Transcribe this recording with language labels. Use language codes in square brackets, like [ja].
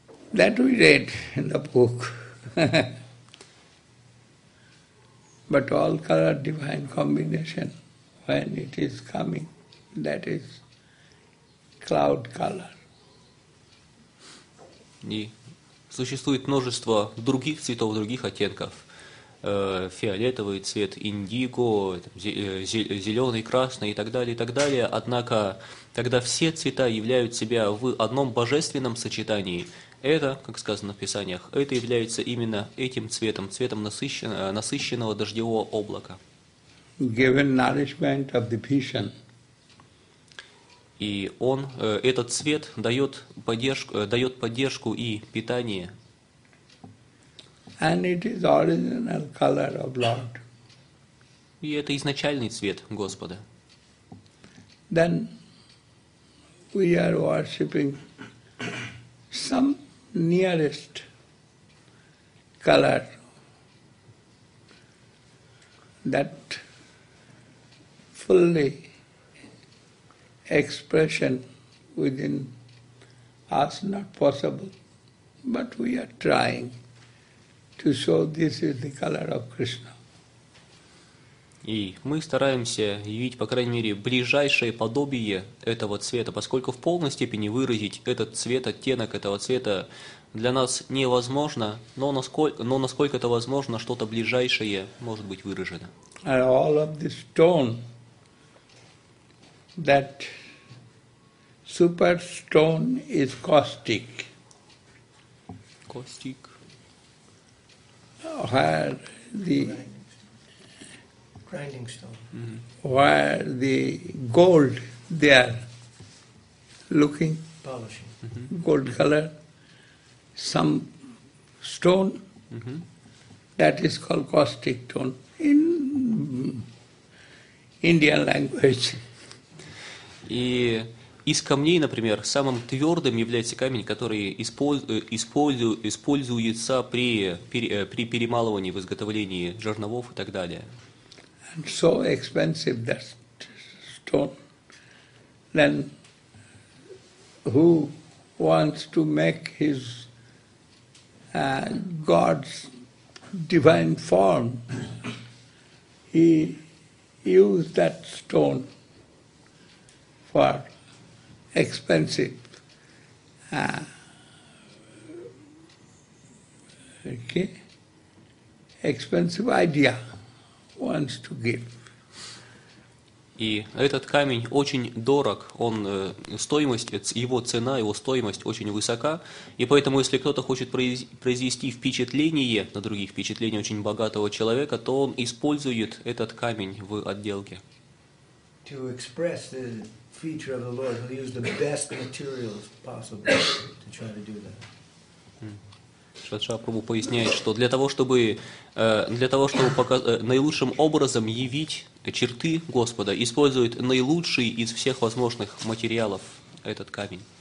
[en] That we read in the book. But all color divine combination, when it is coming, that is cloud color. [ru] И существует множество других цветов, других оттенков. фиолетовый цвет, индиго, зеленый, красный и так далее, однако, когда все цвета являют себя в одном божественном сочетании, это, как сказано в Писаниях, это является именно этим цветом, цветом насыщенного дождевого облака. [en] Given nourishment of the vision. [ru] И он, этот цвет дает поддержку и питание. [en] And it is original color of Lord. [ru] И это изначальный цвет Господа. [en] Then we are worshipping some nearest color that fully expression within us not possible, but we are trying to show this is the color of Krishna. [ru] И мы стараемся явить, по крайней мере, ближайшее подобие этого цвета, поскольку в полной степени выразить этот цвет, оттенок этого цвета для нас невозможно, но насколько это возможно, что-то ближайшее может быть выражено. [en] And all of the stone that super stone is caustic. Caustic. Where the grinding stone. Mm-hmm. Where the gold there looking polishing. Mm-hmm. Gold color. Some stone mm-hmm. that is called caustic stone in Indian language. [ru] И из камней, например, самым твердым является камень, который используется при перемалывании, в изготовлении жерновов и так далее. [en] And so expensive that stone. Then who wants to make his God's divine form, he used that stone for expensive expensive idea wants to give. [ru] И этот камень очень дорог, он стоимость, его цена, его стоимость очень высока, и поэтому, если кто-то хочет произвести впечатление на других, впечатление очень богатого человека, то он использует этот камень в отделке. [en] To express the feature of the Lord, he'll use the best materials possible to try to do that. [ru] Шадша Прабху поясняет, что для того, чтобы наилучшим образом явить черты Господа, использует наилучший из всех возможных материалов этот камень.